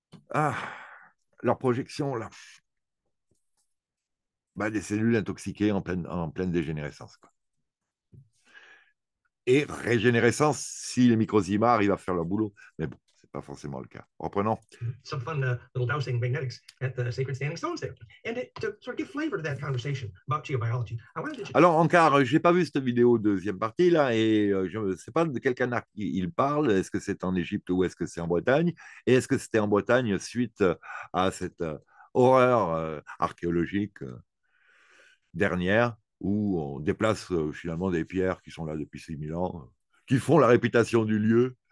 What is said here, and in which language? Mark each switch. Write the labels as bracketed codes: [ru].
[fr] Ah, leur projection, là. Bah, des cellules intoxiquées en pleine dégénérescence, quoi. Et régénérescence si les microzymas arrivent à faire leur boulot. Mais bon, ce n'est pas forcément le cas. Reprenons. [en] Some fun little dowsing magnetics at the sacred standing stones there. And to sort of give flavor to that conversation about geobiology, I wanted to... [fr] Alors, encore, je n'ai pas vu cette vidéo deuxième partie, là, et je ne sais pas de quel canard il parle. Est-ce que c'est en Égypte ou est-ce que c'est en Bretagne? Et est-ce que c'était en Bretagne suite à cette horreur archéologique dernière où on déplace finalement des pierres qui sont là depuis 6000 ans, qui font la réputation du lieu?